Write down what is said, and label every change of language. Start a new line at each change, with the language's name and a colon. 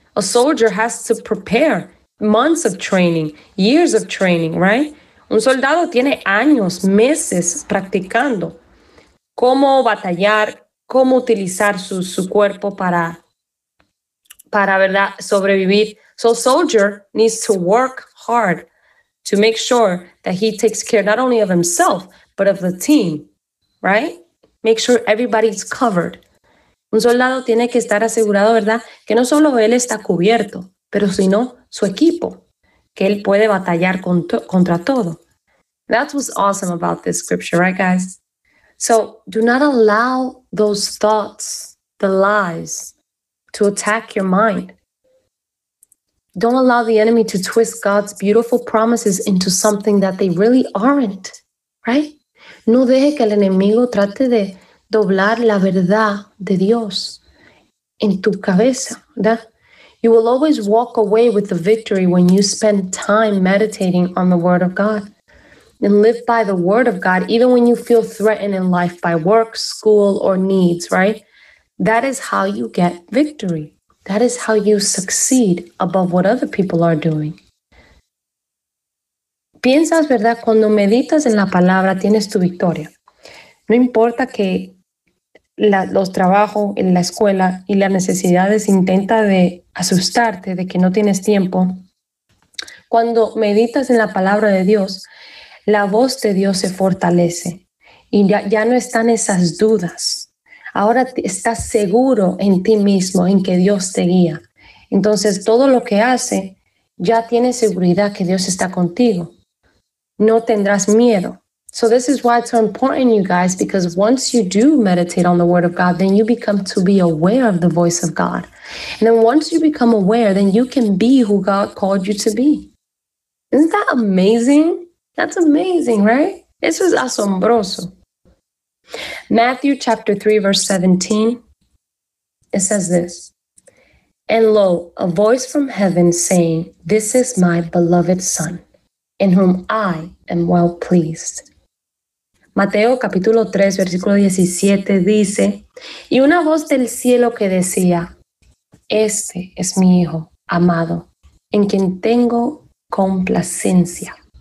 English: A soldier has to prepare months of training, years of training, right?
Spanish: Un soldado tiene años, meses practicando cómo batallar, cómo utilizar su cuerpo para verdad sobrevivir.
English: So a soldier needs to work hard to make sure that he takes care not only of himself, but of the team, right? Make sure everybody's covered.
Spanish: Un soldado tiene que estar asegurado, ¿verdad? Que no solo él está cubierto, pero sino su equipo, que él puede batallar contra todo.
English: That's what's awesome about this scripture, right, guys? So do not allow those thoughts, the lies, to attack your mind. Don't allow the enemy to twist God's beautiful promises into something that they really aren't, right?
Spanish: No deje que el enemigo trate de doblar la verdad de Dios en tu cabeza, ¿verdad?
English: You will always walk away with the victory when you spend time meditating on the Word of God and live by the Word of God, even when you feel threatened in life by work, school, or needs, right? That is how you get victory. That is how you succeed above what other people are doing.
Spanish: Piensas, ¿verdad? Cuando meditas en la palabra, tienes tu victoria. No importa que los trabajos en la escuela y las necesidades intenta de asustarte de que no tienes tiempo. Cuando meditas en la palabra de Dios, la voz de Dios se fortalece y ya no están esas dudas. Ahora estás seguro en ti mismo, en que Dios te guía. Entonces todo lo que hace, ya tienes seguridad que Dios está contigo. No tendrás miedo.
English: So this is why it's so important, you guys, because once you do meditate on the Word of God, then you become to be aware of the voice of God. And then once you become aware, then you can be who God called you to be. Isn't that amazing? That's amazing, right?
Spanish: Eso es asombroso.
English: Matthew chapter 3, verse 17, it says this. And lo, a voice from heaven saying, this is my beloved Son, in whom I am well pleased.
Spanish: Mateo capítulo 3, versículo 17 dice, y una voz del cielo que decía, este es mi hijo amado, en quien tengo complacencia.